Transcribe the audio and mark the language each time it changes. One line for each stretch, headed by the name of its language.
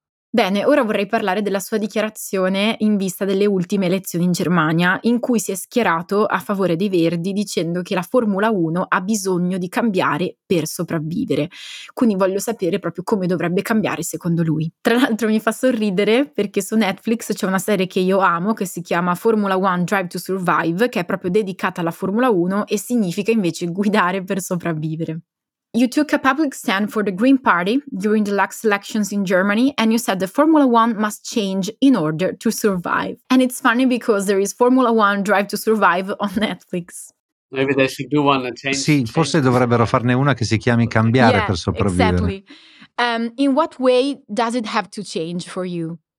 Italian: Bene, ora vorrei parlare della sua dichiarazione in vista delle ultime elezioni in Germania, in cui si è schierato a favore dei Verdi dicendo che la Formula 1 ha bisogno di cambiare per sopravvivere. Quindi voglio sapere proprio come dovrebbe cambiare secondo lui. Tra l'altro mi fa sorridere perché su Netflix c'è una serie che io amo che si chiama Formula 1 Drive to Survive, che è proprio dedicata alla Formula 1 e significa invece guidare per sopravvivere.
English: You took a public stand for the Green Party during the last elections in Germany and you said the Formula One must change in order to survive. And it's funny because there is Formula One Drive to Survive on Netflix. Maybe they should do one and change.
Italian: Sì, forse dovrebbero farne una che si chiami Cambiare per sopravvivere.
English: Exactly. In what way does it have to change for you?